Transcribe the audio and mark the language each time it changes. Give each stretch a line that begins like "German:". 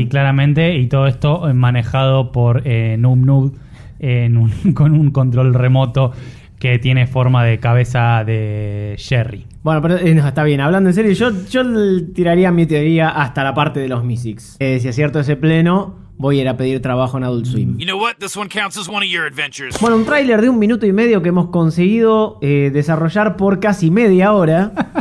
Spanish: Y claramente, y todo esto manejado por Noob Noob con un control remoto que tiene forma de cabeza de Jerry. Bueno, pero no, está bien. Hablando en serio, yo tiraría mi teoría hasta la parte de los Mystic. Si acierto ese pleno, voy a ir a pedir trabajo en Adult Swim.
English: You know what? This one counts as one of your adventures.
Spanish: Bueno, un tráiler de un minuto y medio que hemos conseguido desarrollar por casi media hora.